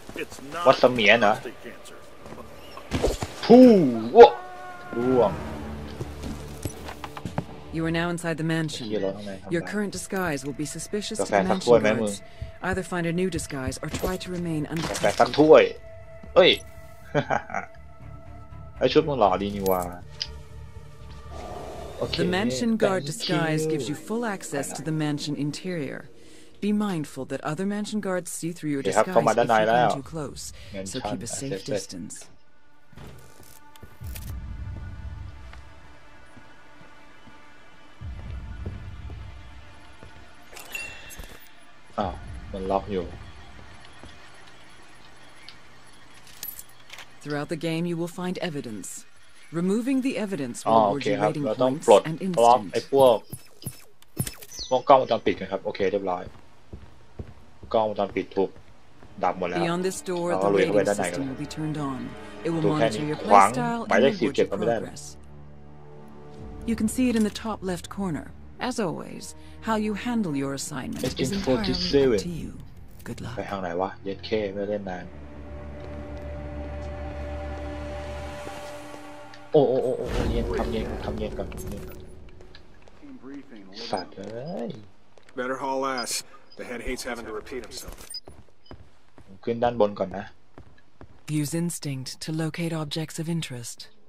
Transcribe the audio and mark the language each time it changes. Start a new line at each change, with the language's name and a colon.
English: It's not prostate cancer. Pooh! Whoa! Whoa. You are now inside the mansion. Your current disguise will be suspicious to the mansion guards. Either find a new disguise or try to remain undetected.
Thai: แต่ตั้งถ้วยเฮ้ยไอชุดมึงหล่อดีนี่ว่ะโอเค
English: The mansion guard disguise gives you full access to the mansion interior. Be mindful that other mansion guards see through your disguise if you come too close. So keep a safe distance.
Thai: มันล็อกอยู่
English: Throughout the game you will find evidence. Removing the evidence will reward you rating points and instant.
Thai: เราต้องปลดล็อกไอ้พวกกล้องวงจรปิดนะครับโอเคเรียบร้อยกล้องวงจรปิดถูกดับหมดแล้ว
English: Beyond this door the rating system will be turned on. It will monitor your playstyle and your progress. You can see it in the top left corner. As always, how you handle your assignment is entirely up to you. Good luck.
Thai: ไปทางไหนวะ?
English: Yes, K.
Thai: ไม่เล่นนาน. โอ้โอ้โอ้เย็นทำเย็นทำเย็นก่อนสัตว์เอ้ย
English: Better haul ass the head hates having to repeat himself
Thai: ขึ้นด้านบนก่อนนะ
English: Use instinct to locate objects of interest